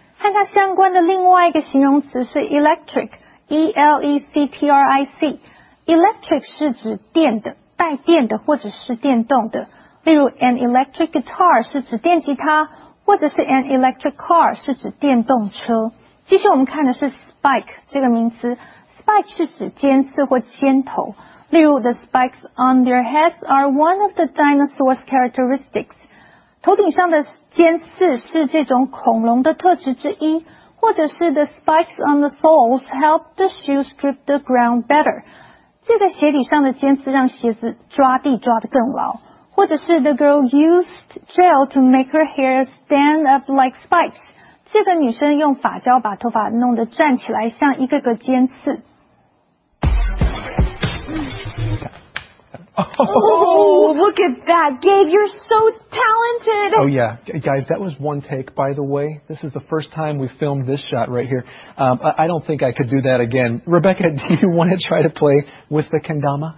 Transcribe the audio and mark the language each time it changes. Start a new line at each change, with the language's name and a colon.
Chinese: 和它相关的另外一个形容词是 electric,E-L-E-C-T-R-I-C Electric 是指电的带电的或者是电动的例如
English: An electric guitar
Chinese: 是指电吉他或者是
English: An electric car
Chinese: 是指电动车接下来我们看的是 spike 这个名词 Spike 是指尖刺或尖头例如
English: The spikes on their heads are one of the dinosaur's characteristics
Chinese: 头顶上的尖刺是这种恐龙的特质之一或者是
English: the spikes on the soles help the shoes grip the ground better.
Chinese: 这个鞋底上的尖刺让鞋子抓地抓得更牢。或者是
English: the girl used gel to make her hair stand up like spikes.
Chinese: 这个女生用发胶把头发弄得站起来像一个个尖刺。
English: Oh, look at that, Gabe, you're so talented. Oh, yeah. Guys, that was one take, by the way. This is the first time we filmed this shot right here. I don't think I could do that again. Rebecca, do you want to try to play with the Kendama?